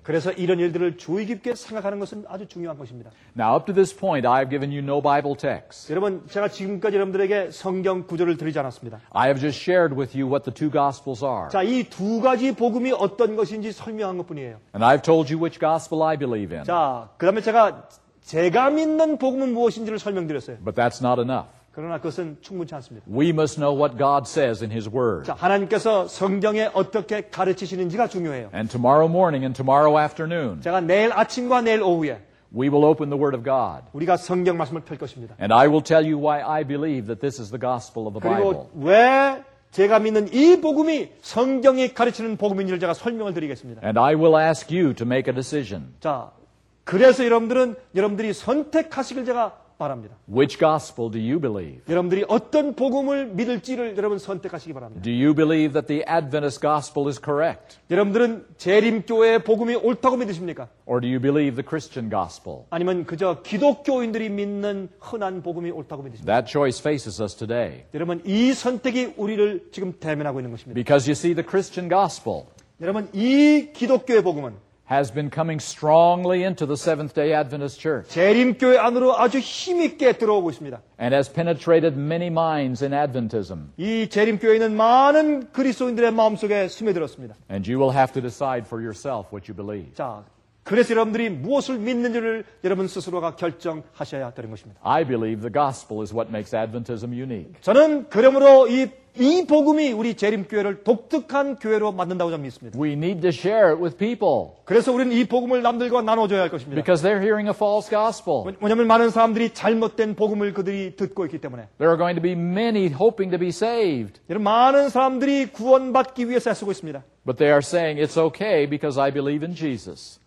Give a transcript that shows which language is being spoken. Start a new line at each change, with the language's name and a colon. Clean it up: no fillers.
Korean: 그래서 이런 일들을 주의 깊게 생각하는 것은 아주 중요한 것입니다.
English: Now up to this point I have given you no Bible text.
Korean: 여러분, 제가 지금까지 여러분들에게 성경 구절을 드리지 않았습니다.
English: I have just shared with you what the two gospels are.
Korean: 자, 이 두 가지 복음이 어떤 것인지 설명한 것뿐이에요.
English: And I've told you which gospel I believe in.
Korean: 자, 그다음에 제가 믿는 복음은 무엇인지를 설명드렸어요.
English: But that's not enough.
Korean: 그러나 그것은 충분치 않습니다.
English: We must know what God says in His Word.
Korean: 자, 하나님께서 성경에 어떻게 가르치시는지가 중요해요.
English: And tomorrow morning and tomorrow afternoon.
Korean: 제가 내일 아침과 내일 오후에.
English: We will open the Word of God.
Korean: 우리가 성경 말씀을 펼 것입니다.
English: And I will tell you why I believe that this is the gospel of the
Korean: 그리고
English: Bible.
Korean: 그리고 왜 제가 믿는 이 복음이 성경이 가르치는 복음인지를 제가 설명을 드리겠습니다.
English: And I will ask you to make a decision.
Korean: 자, 그래서 여러분들이 선택하시길 제가 바랍니다.
English: Which gospel do you believe?
Korean: 여러분들이 어떤 복음을 믿을지를 여러분 선택하시기 바랍니다.
English: Do you believe that the Adventist gospel is correct?
Korean: 여러분들은 재림교회의 복음이 옳다고 믿으십니까?
English: Or do you believe the Christian gospel?
Korean: 아니면 그저 기독교인들이 믿는 흔한 복음이 옳다고 믿으십니까?
English: That choice faces us today.
Korean: 여러분 이 선택이 우리를 지금 대면하고 있는 것입니다.
English: Because you see the Christian gospel.
Korean: 여러분 이 기독교의 복음은
English: has been coming strongly into the Seventh-day Adventist Church.
Korean: 재림교회 안으로 아주 힘 있게 들어오고 있습니다.
English: And has penetrated many minds in Adventism.
Korean: 이 재림교회는 많은 그리스도인들의 마음속에 스며들었습니다.
English: And you will have to decide for yourself what you believe.
Korean: 자, 그래서 여러분들이 무엇을 믿는지를 여러분 스스로가 결정하셔야 되는 것입니다.
English: I believe the gospel is what makes Adventism unique.
Korean: 저는 그러므로 이 복음이 우리 재림교회를 독특한 교회로 만든다고 저는 믿습니다.
English: We need to share it with people.
Korean: 그래서 우리는 이 복음을 남들과 나눠줘야 할 것입니다.
English: Because they're hearing a false gospel.
Korean: 왜냐하면 많은 사람들이 잘못된 복음을 그들이 듣고 있기 때문에.
English: There are going to be many hoping to be saved.
Korean: 여러분, 많은 사람들이 구원받기 위해서 애쓰고 있습니다.
English: But they are saying it's okay because I believe in Jesus.